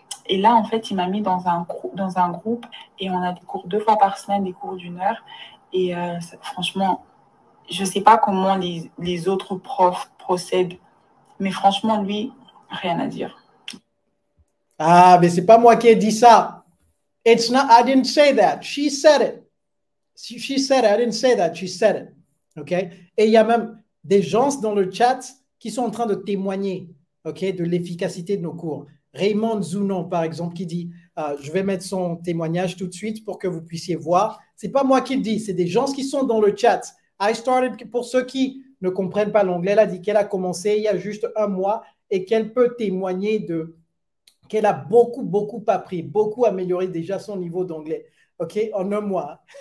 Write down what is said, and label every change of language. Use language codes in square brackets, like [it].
[fr] Et là, en fait, il m'a mis dans un groupe. Et on a des cours 2 fois par semaine, des cours d'une heure. Et franchement, je ne sais pas comment les autres profs procèdent. Mais franchement, lui, rien à dire. Ah, mais ce n'est pas moi qui ai dit ça. [en] It's not, I didn't say that. She said it. She said it. I didn't say that. She said it. OK? [fr] Et il y a même des gens dans le chat qui sont en train de témoigner, OK, de l'efficacité de nos cours. Raymond Zunon, par exemple, qui dit, je vais mettre son témoignage tout de suite pour que vous puissiez voir. Ce n'est pas moi qui le dis. C'est des gens qui sont dans le chat. [en] I started, [fr] pour ceux qui ne comprennent pas l'anglais, elle a dit qu'elle a commencé il y a juste un mois et qu'elle peut témoigner de qu'elle a beaucoup, beaucoup appris, beaucoup amélioré déjà son niveau d'anglais, OK, en un mois.